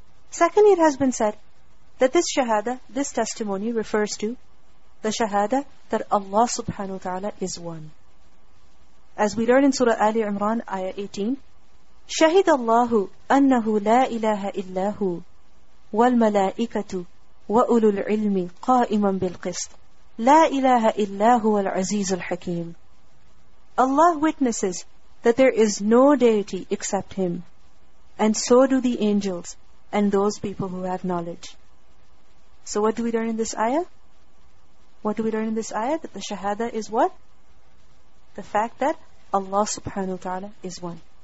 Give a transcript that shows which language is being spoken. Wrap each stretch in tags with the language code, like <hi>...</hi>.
<en>Secondly, it has been said that this shahada, this testimony, refers to the shahada that Allah subhanahu wa ta'ala is one. As we learn in Surah Ali Imran, ayah 18,</en> <ar>شَهِدَ اللَّهُ أَنَّهُ لَا إِلَهَ إِلَّا هُوَ وَالْمَلَائِكَةُ وَأُولُو الْعِلْمِ قَائِمًا بِالْقِسْطِ لَا إِلَهَ إِلَّا هُوَ الْعَزِيزُ الْحَكِيمُ.</ar> <en>Allah witnesses that there is no deity except Him, and so do the angels and those people who have knowledge. So what do we learn in this ayah? What do we learn in this ayah? That the shahada is what? The fact that Allah subhanahu wa ta'ala is one.</en>